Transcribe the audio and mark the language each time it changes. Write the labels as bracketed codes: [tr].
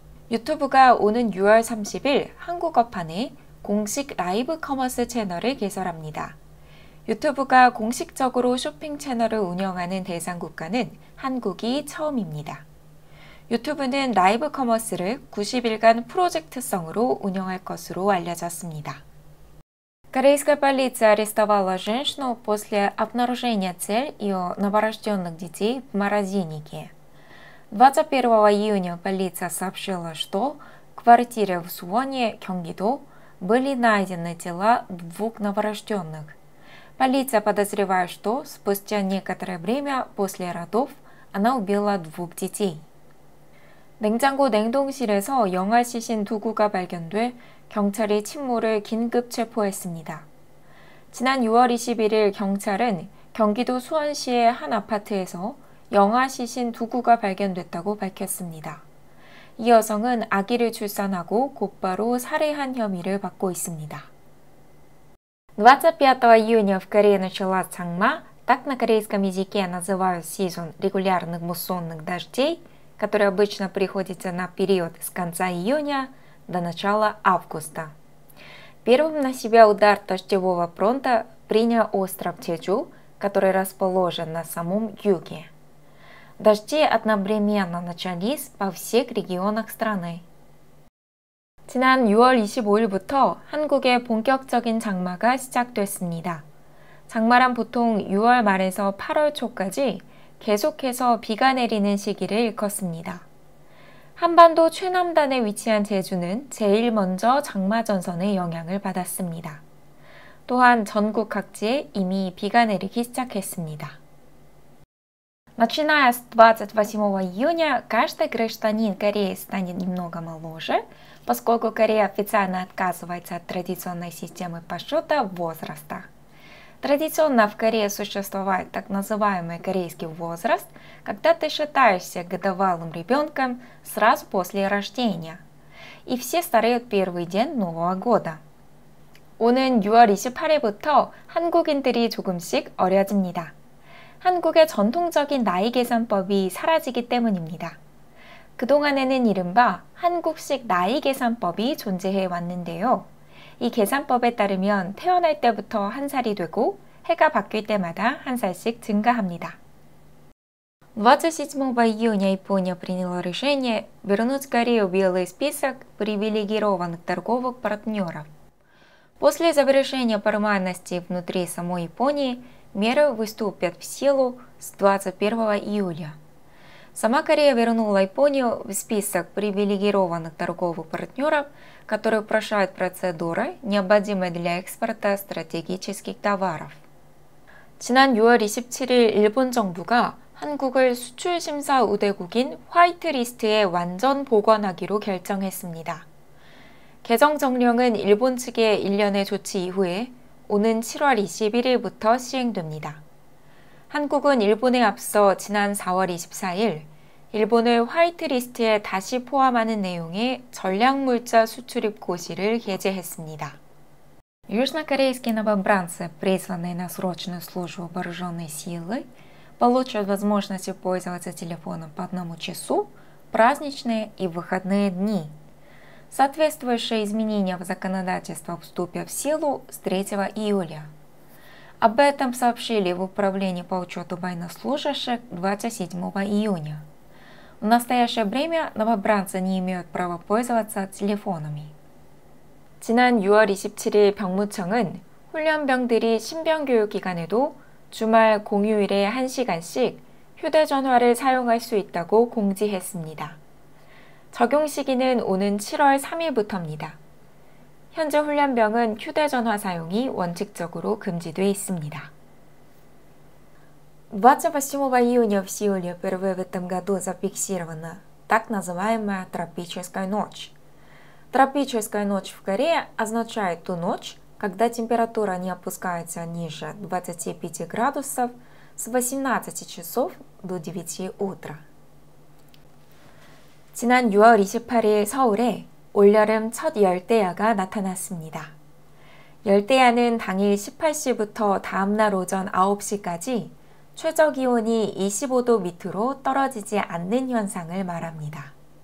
[ko] YouTube가 오는 6월 30일 한국어판에 공식 라이브 커머스 채널을 개설합니다. 유튜브가 공식적으로 쇼핑 채널을 운영하는 대상 국가는 한국이 처음입니다. 유튜브는 라이브 커머스를 90일간 프로젝트성으로 운영할 것으로 알려졌습니다. [ru] Корейская полиция арестовала женщину после обнаружения тел ее новорожденных детей в морозильнике. 21 июня полиция сообщила, что в квартире в Суоне, Кёнгидо, были найдены тела двух новорожденных. Полиция подозревает, что спустя некоторое время после родов она убила двух детей. [ko] 냉장고 냉동실에서 영아 시신 두 구가 발견돼 경찰이 친모를 긴급 체포했습니다. 지난 6월 21일 경찰은 경기도 수원시의 한 아파트에서 영아 시신 두 구가 발견됐다고 밝혔습니다. 이 여성은 아기를 출산하고 곧바로 살해한 혐의를 받고 있습니다. [ru] 25 июня в Корее началась 장마, так на корейском языке называют сезон регулярных муссонных дождей, который обычно приходится на период с конца июня до начала августа. Первым на себя удар дождевого фронта принял остров Чеджу, который расположен на самом юге. Дожди одновременно начались во всех регионах страны. [ko] 지난 6월 25일부터 한국의 본격적인 장마가 시작됐습니다. 장마란 보통 6월 말에서 8월 초까지 계속해서 비가 내리는 시기를 일컫습니다. 한반도 최남단에 위치한 제주는 제일 먼저 장마 전선의 영향을 받았습니다. 또한 전국 각지에 이미 비가 내리기 시작했습니다. [ru] Начиная с 28 июня, каждый гражданин Кореи станет немного моложе, поскольку Корея официально отказывается от традиционной системы подсчета возраста. Традиционно в Корее существует так называемый корейский возраст, когда ты считаешься годовалым ребенком сразу после рождения. И все стареют первый день Нового года. [ko] 오는 6월 28일부터 한국인들이 조금씩 어려집니다. 한국의 전통적인 나이 계산법이 사라지기 때문입니다. 그동안에는 이른바 한국식 나이 계산법이 존재해 왔는데요. 이 계산법에 따르면 태어날 때부터 한 살이 되고 해가 바뀔 때마다 한 살씩 증가합니다. [ru] 27 июня Япония приняла решение вернуть Корею в белый список привилегированных торговых партнеров. После завершения формальности внутри самой Японии, меры вступят в силу с 21 июля. Сама Корея вернула Японию в список привилегированных торговых партнеров, которые упрощают процедуры, необходимые для экспорта стратегических товаров. [ko] 지난 6월 27일 일본 정부가 한국을 수출 심사 우대국인 화이트리스트에 완전 복원하기로 결정했습니다. 개정 정령은 일본 측의 일련의 조치 이후에 오는 7월 21일부터 시행됩니다. 한국은 일본에 앞서 지난 4월 24일 일본을 화이트리스트에 다시 포함하는 내용의 전략물자 수출입 고시를 게재했습니다. [ru] Южнокорейские новобранцы, призванные на срочную службу вооруженной силы, получат возможность пользоваться телефоном по одному часу, праздничные и выходные дни. Соответствующие изменения в законодательство вступят в силу с 3 июля. Об этом сообщили в Управлении по учету военнослужащих 27 июня. В настоящее время новобранцы не имеют права пользоваться телефонами. [ko] 지난 6월 27일 병무청은 훈련병들이 신병 교육 기간에도 주말 공휴일에 1시간씩 휴대전화를 사용할 수 있다고 공지했습니다. 적용 시기는 오는 7월 3일부터입니다. 현재 훈련병은 휴대전화 사용이 원칙적으로 금지돼 있습니다. [ru] 28 июня в Сеуле впервые в этом году зафиксирована так называемая тропическая ночь. Тропическая ночь в Корее означает ту ночь, когда температура не опускается ниже 25 градусов с 18 часов до 9 утра. [ko] 지난 6월 28일 서울에 올여름 첫 열대야가 나타났습니다. 열대야는 당일 18시부터 다음날 오전 9시까지 최저 기온이 25도 밑으로 떨어지지 않는 현상을 말합니다.